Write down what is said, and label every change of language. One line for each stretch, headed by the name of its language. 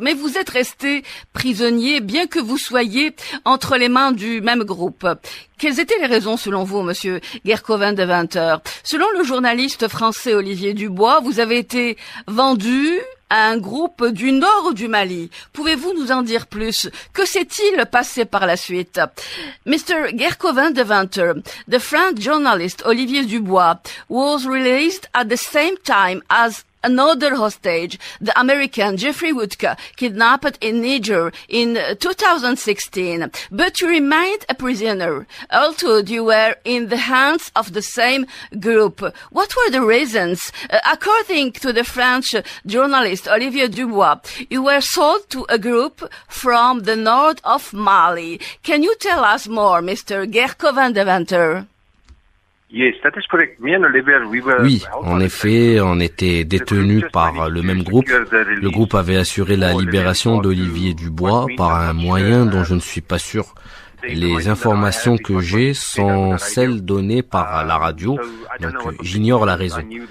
French: Mais vous êtes resté prisonnier, bien que vous soyez entre les mains du même groupe. Quelles étaient les raisons, selon vous, monsieur Guercovin de 20h? Selon le journaliste français Olivier Dubois, vous avez été vendu à un groupe du nord du Mali. Pouvez-vous nous en dire plus? Que s'est-il passé par la suite? Mr.
English: Guercovin de 20h, the French journalist Olivier Dubois was released at the same time as another hostage, the American Jeffrey Woodke, kidnapped in Niger in 2016. But you remained a prisoner, although you were in the hands of the same group. What were the reasons? According to the French journalist Olivier Dubois, you were sold to a group from the north of Mali. Can you tell us more, Mr. Guercovin de 20h?
French: Oui, en effet, on était détenus par le même groupe. Le groupe avait assuré la libération d'Olivier Dubois par un moyen dont je ne suis pas sûr. Les informations que j'ai sont celles données par la radio, donc j'ignore la raison.